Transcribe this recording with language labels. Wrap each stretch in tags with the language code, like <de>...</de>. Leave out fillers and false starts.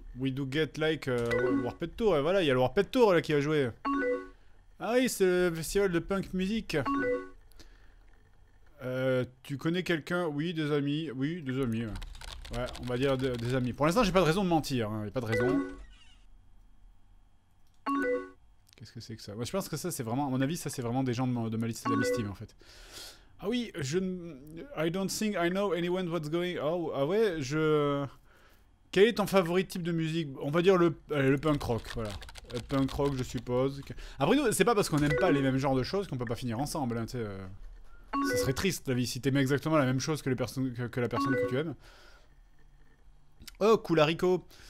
<en>We do get like Warped Tour.</en> <fr>Et voilà, il y a le Warped Tour là qui va jouer. Ah oui, c'est le festival de punk music. Tu connais quelqu'un? Oui, des amis. Oui, des amis. Ouais, ouais, on va dire des amis. Pour l'instant, j'ai pas de raison de mentir. Hein. Y'a pas de raison. Qu'est-ce que c'est que ça? Moi, je pense que ça, c'est vraiment... À mon avis, ça, c'est vraiment des gens de ma liste d'amis Steam, en fait. Ah oui, je...</fr> <en>I don't think I know anyone what's going...</en> <fr>Oh, ah ouais, je... Quel est ton favori type de musique? On va dire le punk rock, voilà. Le punk rock, je suppose. Après, nous, c'est pas parce qu'on aime pas les mêmes genres de choses qu'on peut pas finir ensemble, hein, t'sais. Ça serait triste, la vie, si t'aimais exactement la même chose que, les personnes, que la personne que tu aimes. Oh, cool, haricot.</fr>